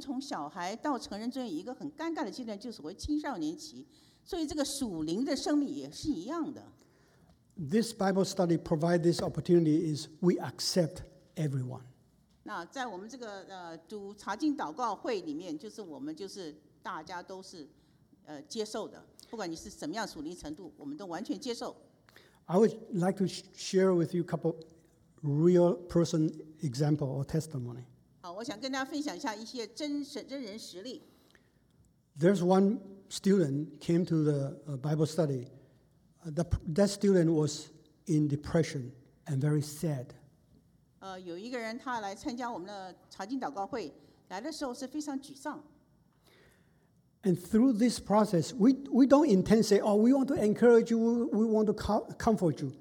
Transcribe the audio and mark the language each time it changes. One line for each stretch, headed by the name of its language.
Chinese: 所以我们人生长过程就是我们从小孩到成人中有一个很尴尬的阶段, 就是为青少年期, 所以这个属灵的生命也是一样的。
English: This Bible study provides this opportunity is we accept everyone.
Chinese: 那在我们这个, 读查经祷告会里面, 就是我们就是大家都是, 接受的。不管你是什么样属灵程度,我们都完全接受。
English: I would like to share with you a couple real person example or testimony.
Chinese: 好,我想跟大家分享一下一些真人实例。
English: There's one student came to the Bible study. That student was in depression and very sad.
Chinese: 有一个人他来参加我们的查经祷告会,来的时候是非常沮丧。
English: And through this process, we don't intend to say, oh, we want to encourage you, we want to comfort you.